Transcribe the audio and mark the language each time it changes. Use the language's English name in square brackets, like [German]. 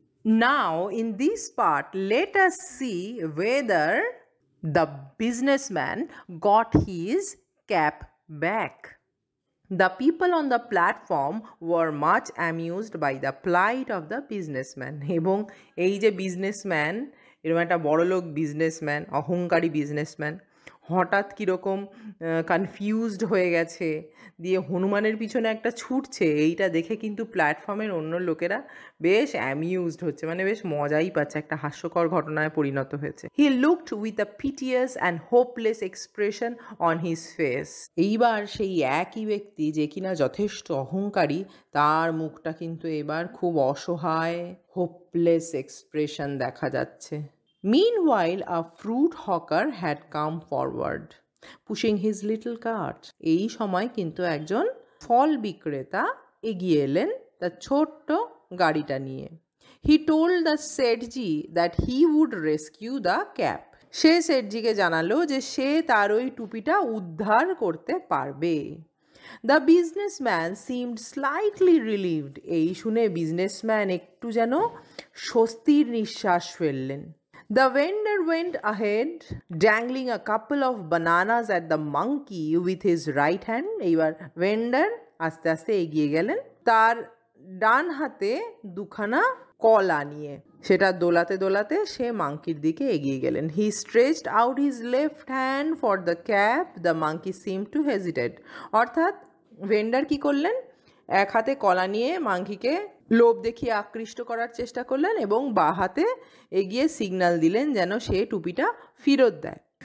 [English] Now, in this part, let us see whether the businessman got his cap back. The people on the platform were much amused by the plight of the businessman. [Bangla] Ebong ei je businessman, erom ekta borolok businessman, ahongkari businessman, হঠাৎ কীরকম confused হয়ে গেছে, দিয়ে হনুমানের পিছনে একটা ছুটছে, এইটা দেখে কিন্তু প্ল্যাটফর্মের অন্য লোকেরা বেশ অ্যামিউজড হচ্ছে, মানে বেশ মজাই পাচ্ছে, একটা হাস্যকর ঘটনায় পরিণত হয়েছে। [English] He looked with a piteous and hopeless expression on his face. [Bangla] এইবার সেই একই ব্যক্তি যে কিনা যথেষ্ট অহংকারী, তার মুখটা কিন্তু এবার খুব অসহায়, হোপলেস এক্সপ্রেশন দেখা যাচ্ছে। [English] Meanwhile, a fruit hawker had come forward, pushing his little cart. [Bangla] এই সময় কিন্তু একজন ফল বিক্রেতা এগিয়ে এলেন তার ছোট্ট গাড়িটা নিয়ে। [English] He told the Sedji that he would rescue the cap. [Bangla] সে সেটজিকে জানালো যে সে তার ওই টুপিটা উদ্ধার করতে পারবে। [English] The businessman seemed slightly relieved. [Bangla] এই শুনে বিজনেসম্যান একটু যেন স্বস্তির নিঃশ্বাস ফেললেন। [English] The vendor went ahead, dangling a couple of bananas at the monkey with his right hand. [Bangla] এইবার ভেন্ডার আস্তে আস্তে এগিয়ে গেলেন তার ডান হাতে দুখানা কলা নিয়ে, সেটা দোলাতে দোলাতে সে মাঙ্কির দিকে এগিয়ে গেলেন। [English] He stretched out his left hand for the cap, the monkey seem to hesitate. [Bangla] অর্থাৎ ভেন্ডার কী করলেন, এক হাতে কলা নিয়ে মাঙ্কিকে লোভ দেখিয়ে আকৃষ্ট করার চেষ্টা করলেন এবং বাঁ হাতে এগিয়ে সিগন্যাল দিলেন যেন সে টুপিটা ফেরত দেয়।